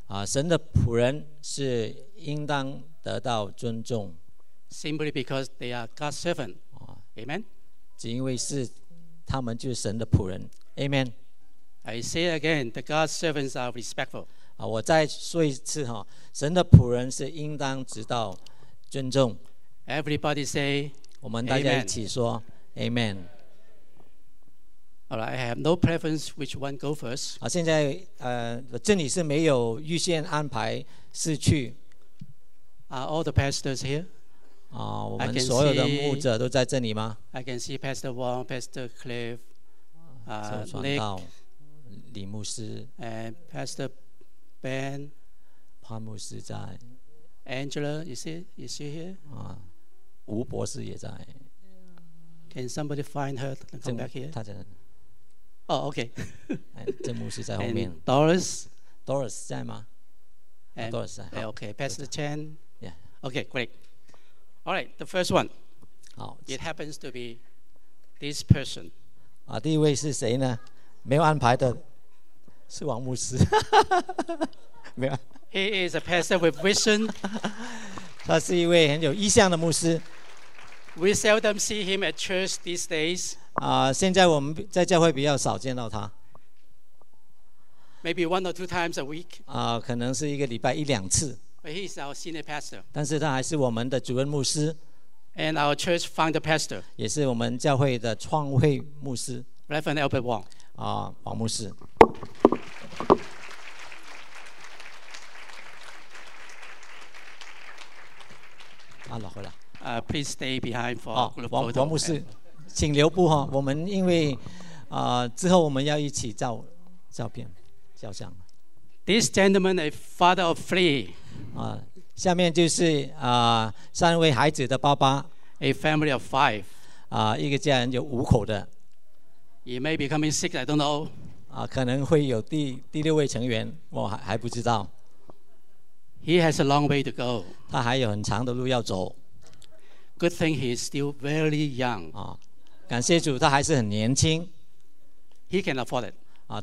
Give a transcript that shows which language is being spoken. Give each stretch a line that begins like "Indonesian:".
Chinese: 神的仆人是应当得到尊重。
English: Simply because they are God's servant. Amen.
Chinese: 只因为是他们就是神的仆人。
English: Amen. I say again, the God's servants are respectful.
Chinese: 我再说一次哈，神的仆人是应当值得尊重。
English: Everybody say,
Chinese: 我们大家一起说 ，Amen.
English: All right, I have no preference which one go first.
Chinese: 现在这里是没有预先安排次序。
English: Are all the pastors here?
Chinese: 我们所有的牧者都在这里吗
English: ？I can see Pastor Wong, Pastor Cliff,
Chinese: Nick. 李牧师
English: and Pastor Ben
Chinese: 潘牧师在
English: Angela is she here
Chinese: 吴博士也在
English: Can somebody find her and come back here
Chinese: 他在
English: Oh okay
Chinese: 郑牧师在后面
English: Doris
Chinese: 在吗
English: and,
Chinese: Doris 在
English: Okay Pastor Chen Yeah Okay great Alright the first one
Chinese: 好
English: It happens to be this person
Chinese: 第一位是谁呢没有安排的是王牧师没有
English: He is a pastor with vision
Chinese: 他是一位很有意向的牧师
English: We seldom see him at church these days
Chinese: 现在我们在教会比较少见到他
English: Maybe one or two times a week
Chinese: 可能是一个礼拜一两次
English: But he is our senior pastor
Chinese: 但是他还是我们的主任牧师
English: And our church founder pastor
Chinese: 也是我们教会的创会牧师
English: Reverend Albert Wong
Chinese: 王牧师 老回来
English: Please stay behind for a group photo
Chinese: 王牧师请留步、我们因为、之后我们要一起照片照相
English: This gentleman is father of three
Chinese: 下面就是、三位孩子的爸爸
English: A family of five
Chinese: 一个家人有五口的
English: He may be coming sick, I don't know.
Chinese: 可能会有 第六位成员，我 还不知道。
English: He has a long way to go.
Chinese: 他还有很长的路要走。
English: Good thing he is still very young.
Chinese: 感谢主，他还是很年轻。
English: He can afford it.